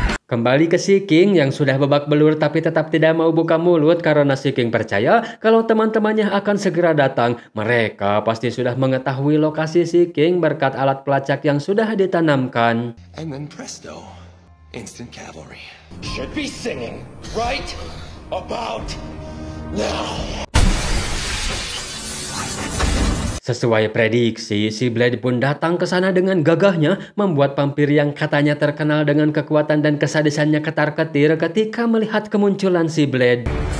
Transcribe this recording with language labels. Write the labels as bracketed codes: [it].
[id] Kembali ke si King yang sudah babak belur tapi tetap tidak mau buka mulut karena si King percaya kalau teman-temannya akan segera datang. Mereka pasti sudah mengetahui lokasi si King berkat alat pelacak yang sudah ditanamkan. [en] And then presto, instant cavalry. Should be singing right about now. [id] Sesuai prediksi, si Blade pun datang ke sana dengan gagahnya, membuat vampir yang katanya terkenal dengan kekuatan dan kesadisannya ketar-ketir ketika melihat kemunculan si Blade.